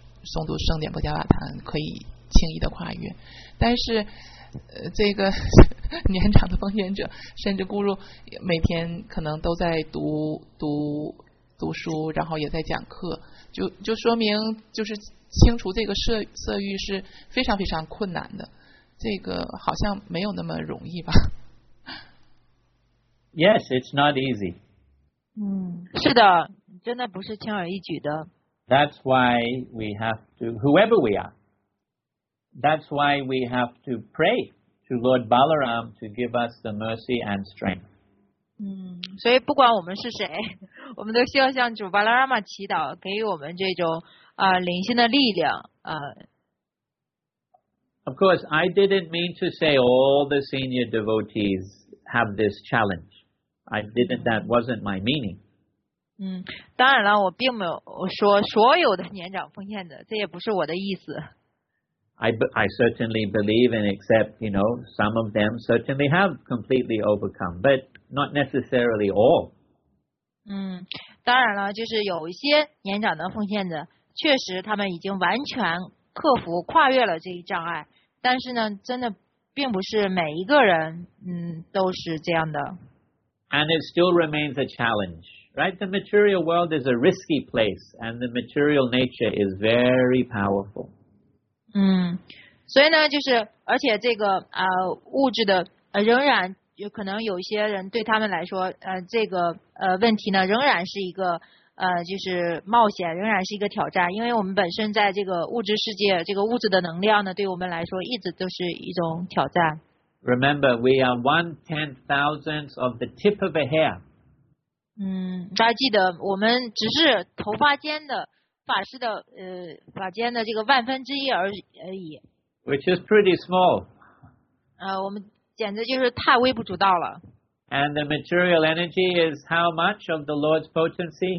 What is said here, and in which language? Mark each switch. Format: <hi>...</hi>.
<zh>诵读圣典波迦瓦坛可以轻易的跨越，但是这个年长的奉献者甚至孤入每天可能都在读书，然后也在讲课，就说明就是清除这个色欲是非常非常困难的，这个好像没有那么容易吧。</zh> <en>Yes, it's not easy.</en> <zh>嗯，是的，真的不是轻而易举的。</zh> <en>That's why we have to, whoever we are, that's why we have to pray to Lord Balaram to give us the mercy and strength.</en> <zh>嗯，所以不管我们是谁，我们都需要向主巴拉拉玛祈祷，给予我们这种灵性的力量。</zh> <en>Of course, I didn't mean to say all the senior devotees have this challenge. I didn't, that wasn't my meaning.</en> <zh>嗯，当然了，我并没有说所有的年长奉献者，这也不是我的意思。</zh> <en>I certainly believe and accept, you know, some of them certainly have completely overcome, but not necessarily all.</en> <zh>嗯，当然了，就是有一些年长的奉献者，确实他们已经完全克服、跨越了这一障碍。但是呢，真的并不是每一个人，嗯，都是这样的。</zh> <en>And it still remains a challenge, right? The material world is a risky place, and the material nature is very powerful.</en> <zh>嗯，所以呢，就是而且这个物质的仍然有可能有些人对他们来说，这个问题呢仍然是一个就是冒险，仍然是一个挑战，因为我们本身在这个物质世界，这个物质的能量呢，对我们来说一直都是一种挑战。</zh> <en>Remember, we are 1/10,000th of the tip of a hair.</en> <zh>嗯，大家记得，我们只是头发尖的法师的发尖的这个万分之一而已。</zh> <en>Which is pretty small.</en> <zh>我们简直就是太微不足道了。</zh> <en>And the material energy is how much of the Lord's potency?</en>